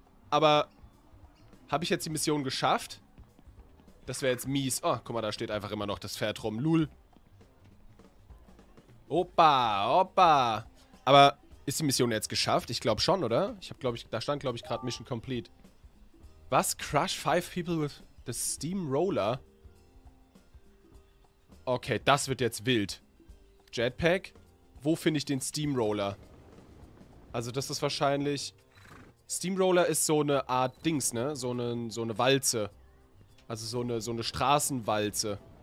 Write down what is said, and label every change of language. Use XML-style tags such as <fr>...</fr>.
<de>Aber. Habe ich jetzt die Mission geschafft? Das wäre jetzt mies. Oh, guck mal, da steht einfach immer noch das Pferd rum. Lul. Opa, opa. Aber ist die Mission jetzt geschafft? Ich glaube schon, oder? Ich habe, glaube ich. Da stand, glaube ich, gerade Mission Complete. Was?</de> <en>Crush 5 people with the Steamroller?</en> <de>Okay, das wird jetzt wild. Jetpack? Wo finde ich den Steamroller? Also das ist wahrscheinlich... Steamroller ist so eine Art Dings, ne? So eine Walze. Also so eine Straßenwalze.</de>